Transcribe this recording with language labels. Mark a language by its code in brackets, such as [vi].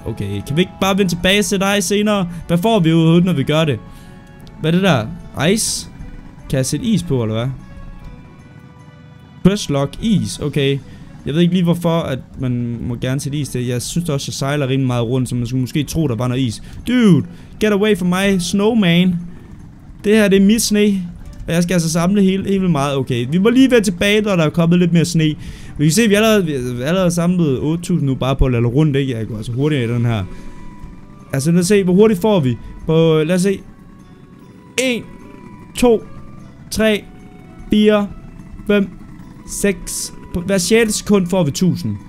[da] Okay, kan vi ikke bare vende tilbage til dig senere? Hvad får vi ud, når vi gør det? Hvad er det der? Ice? Kan jeg sætte is på, eller hvad? Crestlock is, okay. Jeg ved ikke lige hvorfor, at man må gerne sætte is til. Jeg synes også, jeg sejler rimelig meget rundt, så man skulle måske tro, der var noget is. [en] Dude, get away from my snowman. [da] Det her, det er mit sne. Og jeg skal altså samle helt meget. Okay, vi må lige være tilbage, når der er kommet lidt mere sne. Vi kan se, at vi allerede samlet 8.000 nu, bare på at lade rundt, ikke? Jeg går altså hurtigere i den her. Altså, lad os se, hvor hurtigt får vi. På, lad os se. 1, 2, 3, 4, 5, 6. På hver 6. sekund får vi 1.000.